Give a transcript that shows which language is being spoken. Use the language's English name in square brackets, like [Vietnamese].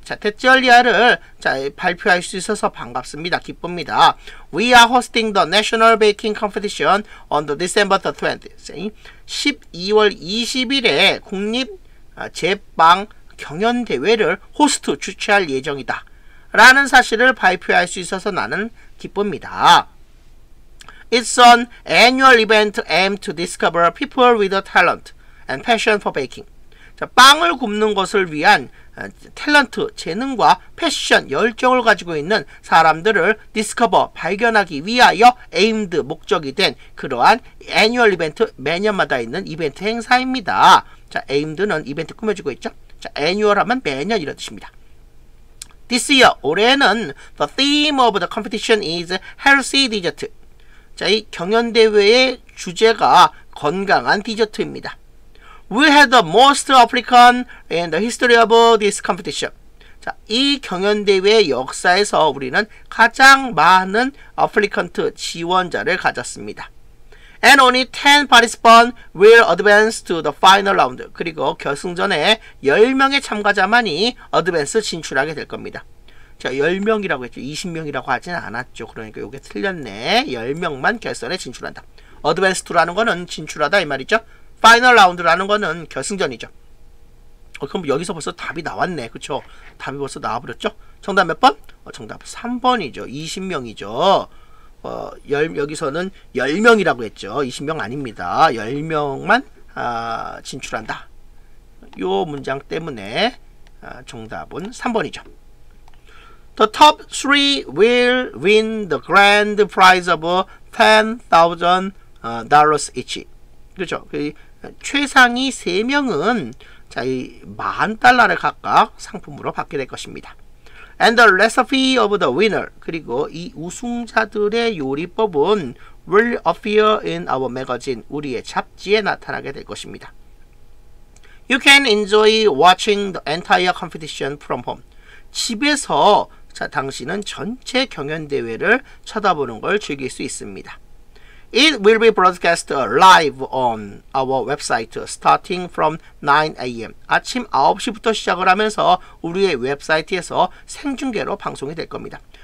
[Korean] 자, 대절리아를 발표할 수 있어서 반갑습니다. 기쁩니다. [English] We are hosting the National Baking Competition on the December the 20th. [Korean] 12월 20일에 국립 제빵 경연대회를 호스트 주최할 예정이다 라는 사실을 발표할 수 있어서 나는 기쁩니다. [English] It's an annual event aimed to discover people with a talent and passion for baking. [Korean] 자, 빵을 굽는 것을 위한 탤런트, 재능과 패션, 열정을 가지고 있는 사람들을 디스커버, 발견하기 위하여 에임드, 목적이 된 그러한 애니얼 이벤트, 매년마다 있는 이벤트 행사입니다. 자, 에임드는 이벤트 꾸며주고 있죠. 자, 애니얼 하면 매년 이런 뜻입니다. [English] This year, [Korean] 올해는 [English] the theme of the competition is healthy dessert. [Korean] 자, 이 경연대회의 주제가 건강한 디저트입니다. [English] We had the most African in the history of this competition. [Korean] 자, 이 경연대회 역사에서 우리는 가장 많은 아프리칸트 지원자를 가졌습니다. [English] And only 10 participants will advance to the final round. [Korean] 그리고 결승전에 10명의 참가자만이 어드밴스 진출하게 될 겁니다. 자, 10명이라고 했죠. 20명이라고 하진 않았죠. 그러니까 이게 틀렸네. 10명만 결선에 진출한다. 어드밴스 투라는 거는 진출하다 이 말이죠. 파이널 라운드라는 거는 결승전이죠. 그럼 여기서 벌써 답이 나왔네. 그쵸? 답이 벌써 나와버렸죠? 정답 몇 번? 정답 3번이죠. 20명이죠. 여기서는 10명이라고 했죠. 20명 아닙니다. 10명만 진출한다. 이 문장 때문에 정답은 3번이죠. [English] The top three will win the grand prize of $10,000 each. [Korean] 그쵸? 최상위 3명은 만 달러를 각각 상품으로 받게 될 것입니다. [English] And the recipe of the winner, [Korean] 그리고 이 우승자들의 요리법은 [English] will appear in our magazine, [Korean] 우리의 잡지에 나타나게 될 것입니다. [English] You can enjoy watching the entire competition from home. [Korean] 집에서 당신은 전체 경연대회를 쳐다보는 걸 즐길 수 있습니다. [English] It will be broadcast live on our website starting from 9 a.m. [Korean] 아침 9시부터 시작을 하면서 우리의 웹사이트에서 생중계로 방송이 될 겁니다.